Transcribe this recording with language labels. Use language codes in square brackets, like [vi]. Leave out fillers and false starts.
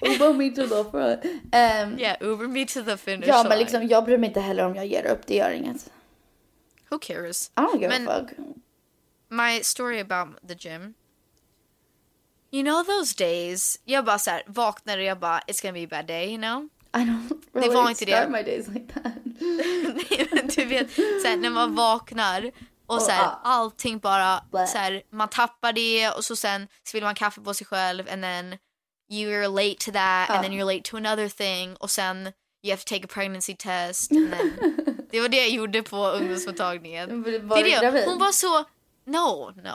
[en] Uber me to the front. Yeah, Uber me to the finish. [sv] Ja, men liksom, jag bryr mig inte heller om jag ger upp. Det gör inget. [en] Who cares? I don't give a fuck. My story about the gym. You know those days? [sv] Jag bara så här, vaknar och jag bara, [en] it's gonna be a bad day, you know? I don't really start my days like that. [sv] Du vet, så här, när man vaknar och så här, allting bara, så här, man tappar det och så sen så vill man kaffe på sig själv [en] and then you're late to that and then you're late to another thing [sv] och sen [en] you have to take a pregnancy test. And then, [sv] det var det jag gjorde på ungdomsmottagningen. Hon var så, [en] no.